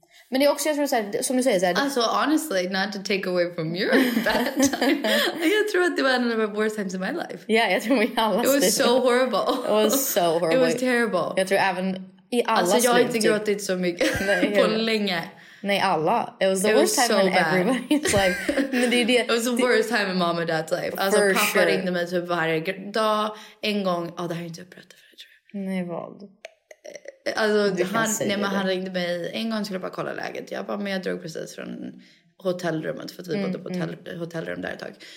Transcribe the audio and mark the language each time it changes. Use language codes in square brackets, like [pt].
[sv] Men det är också, jag tror, så här, som du säger, så här, alltså [en] honestly, not to take away from your bad time, [sv] jag tror att det var en av [en] the worst times in my life. [sv] Ja, jag tror vi alla, [en] it was [sv] det. [en] So horrible. It was so horrible. It was terrible. [sv] Jag tror även i alla, alltså jag har inte gråtit så mycket på länge. Nej, alla. [en] It was the worst time so in everybody's life. [sv] Men det är det. [en] It was the worst time in mom and dad's life. [sv] Alltså pappa ringde mig typ varje dag. En gång, oh, det har jag inte berättat för dig, tror jag. Nej, vad? Alltså han ringde mig en gång, skulle jag bara kolla läget. Jag bara, men jag drog precis från hotellrummet, för att vi bodde på hotellrum där ett tag.